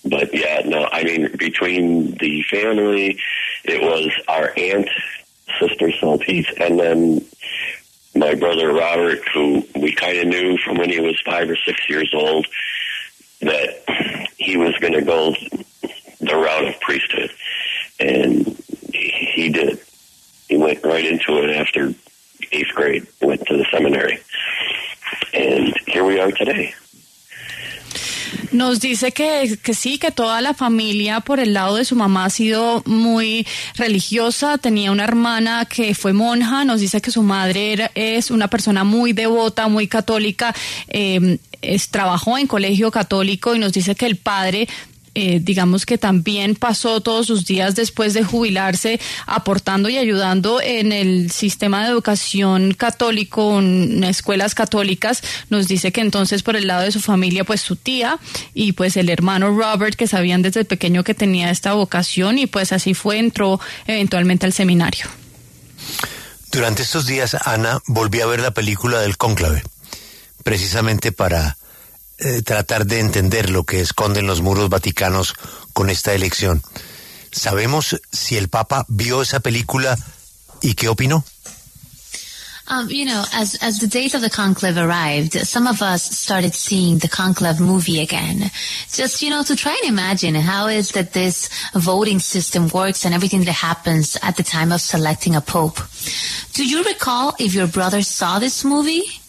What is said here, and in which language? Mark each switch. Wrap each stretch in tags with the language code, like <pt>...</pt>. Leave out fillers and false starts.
<en>Between the family, it was our aunt, Sister Saltese, and then my brother Robert, who we kind of knew from when he was 5 or 6 years old, that he was going to go the route of priesthood, and he did. He went right into it after 8th grade, went to the seminary, and here we are today.</en> <es>Nos dice que sí, que toda la familia por el lado de su mamá ha sido muy religiosa, tenía una hermana que fue monja, nos dice que su madre es una persona muy devota, muy católica, trabajó en colegio católico, y nos dice que el padre, digamos que también pasó todos sus días después de jubilarse aportando y ayudando en el sistema de educación católico, en escuelas católicas. Nos dice que entonces por el lado de su familia, pues su tía y pues el hermano Robert, que sabían desde pequeño que tenía esta vocación, y pues así fue, entró eventualmente al seminario. Durante estos días, Ana, volví a ver la película del Cónclave, precisamente para tratar de entender lo que esconden los muros vaticanos con esta elección. ¿Sabemos si el Papa vio esa película y qué opinó?</es> <en>You know, as the days of the conclave arrived, some of us started seeing the conclave movie again. Just, you know, to try and imagine how is that this voting system works and everything that happens at the time of selecting a pope. Do you recall if your brother saw this movie?</en>